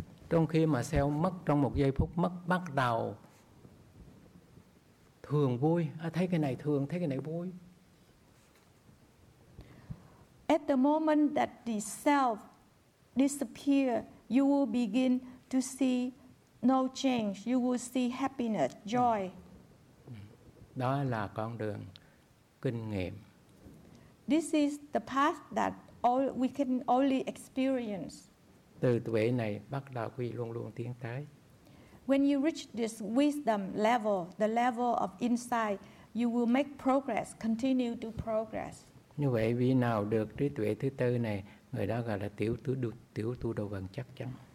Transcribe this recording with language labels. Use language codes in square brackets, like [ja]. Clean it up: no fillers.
[vi] Trong khi mà self mất trong một giây phút mất, bắt đầu thường vui, thấy cái này thường, thấy cái này vui. [en] At the moment that the self disappear, you will begin to see no change. You will see happiness, joy. [vi] Đó là con đường kinh nghiệm. [en] This is the path that all we can only experience. [vi] Từ tuệ này bắt đầu quy luôn luôn tiến tới. [en] When you reach this wisdom level, the level of insight, you will make progress, continue to progress. [vi] Như vậy vị nào được trí tuệ thứ tư này, người đó gọi là tiểu tu đầu gần chắc chắn.